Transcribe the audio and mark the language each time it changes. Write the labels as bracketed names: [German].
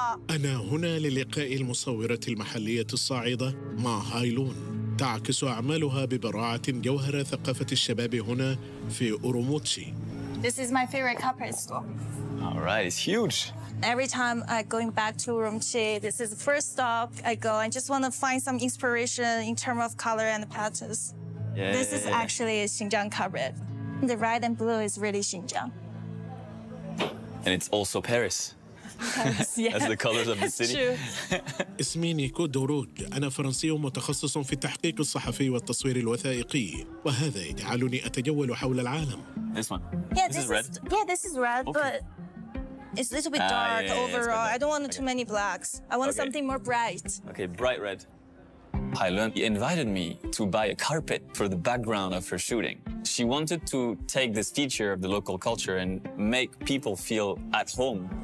[Arabic] أنا هنا للقاء المصورة المحلية الصاعدة مع هايلون تعكس أعمالها ببراعة جوهر ثقافة الشباب هنا في أوروموتشي. [English] This is my favorite carpet store. All right, it's huge. Every time I going back to Urumqi, this is the first stop I go. I just want to find some inspiration in terms of color and patterns. Yeah. This is actually a Xinjiang carpet. The red and blue is really Xinjiang. And it's also Paris. Yes. As the colors of the city. [Arabic] اسمي نيكو دوروج. أنا فرنسي متخصص في التحقيق الصحفي والتصوير الوثائقي، وهذا يجعلني أتجول حول العالم. [English] This one. Yeah, this is red. Yeah, this is red, but it's a little bit dark overall. I don't want too many blacks. I want something more bright. Okay, bright red. Hailun invited me to buy a carpet for the background of her shooting. She wanted to take this feature of the local culture and make people feel at home.